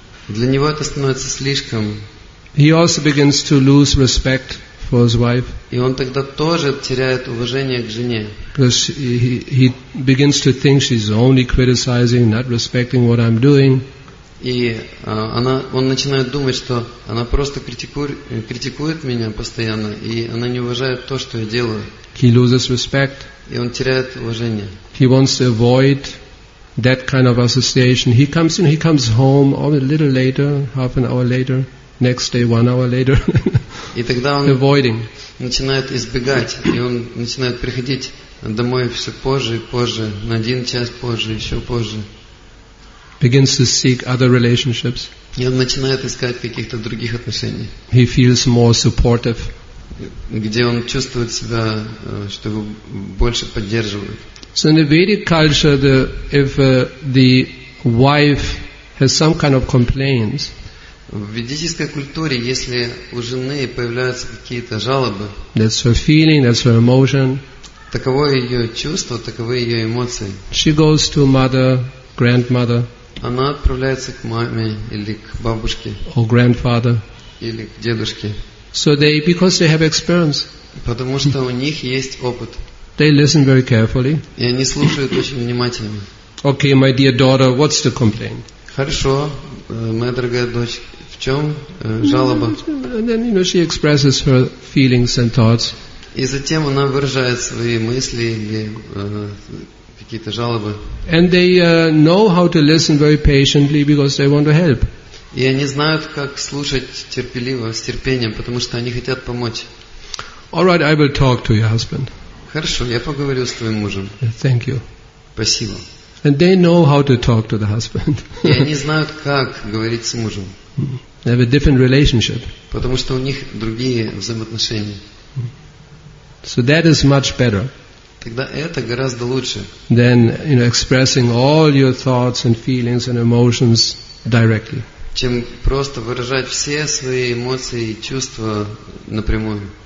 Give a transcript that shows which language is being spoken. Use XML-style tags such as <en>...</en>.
<ru>Для него это становится слишком.</ru> <en>He also begins to lose respect for his wife.</en> <ru>И он тогда тоже теряет уважение к жене.</ru> <en>Because he begins to think she's only criticizing, not respecting what I'm doing.</en> <ru>И она, он начинает думать, что она просто критикует меня постоянно, и она не уважает то, что я делаю.</ru> <en>He loses respect.</en> <ru>И он теряет уважение.</ru> <en>He wants to avoid that kind of association. He comes in, he comes home a little later, half an hour later. Next day, 1 hour later.</en> <ru>И тогда он</ru> <en>avoiding.</en> <ru>Начинает избегать, и он начинает приходить домой все позже и позже, на один час позже, еще позже.</ru> <en>Begins to seek other relationships.</en> <ru>И он начинает искать каких-то других отношений.</ru> <en>He feels more supportive.</en> <ru>Где он чувствует себя, что его больше поддерживают.</ru> <en>So in the Vedic culture, if the wife has some kind of complaints.</en> <ru>В ведической культуре, если у жены появляются какие-то жалобы,</ru> <en>that's her feeling, that's her emotion,</en> <ru>таково ее чувство, таковы ее эмоции.</ru> <en>She goes to mother, grandmother,</en> <ru>она отправляется к маме или к бабушке,</ru> <en>or grandfather,</en> <ru>или к дедушке.</ru> <en>So they, because they have experience,</en> <ru>потому что у них есть опыт.</ru> <en>They listen very carefully.</en> <ru>И они слушают очень внимательно.</ru> <en>Okay, my dear daughter, what's the complaint?</en> <ru>Хорошо, моя дорогая дочь, в чем жалоба?</ru> <en>And then, you know, she expresses her feelings and thoughts.</en> <ru>И затем она выражает свои мысли или какие-то жалобы.</ru> <en>And they know how to listen very patiently because they want to help.</en> <ru>И они знают, как слушать терпеливо, с терпением, потому что они хотят помочь.</ru> <en>All right, I will talk to your husband.</en> <ru>Хорошо, я поговорю с твоим мужем.</ru> <en>Thank you.</en> <ru>Спасибо.</ru> <en>And they know how to talk to the husband.</en> <ru>И они знают, как говорить с мужем.</ru> <en>They have a different relationship.</en> <ru>Потому что у них другие взаимоотношения.</ru> <en>So that is much better.</en> <ru>Тогда это гораздо лучше.</ru> <en>Than, you know, expressing all your thoughts and feelings and emotions directly.</en> <ru>Чем просто выражать все свои эмоции и чувства напрямую.</ru>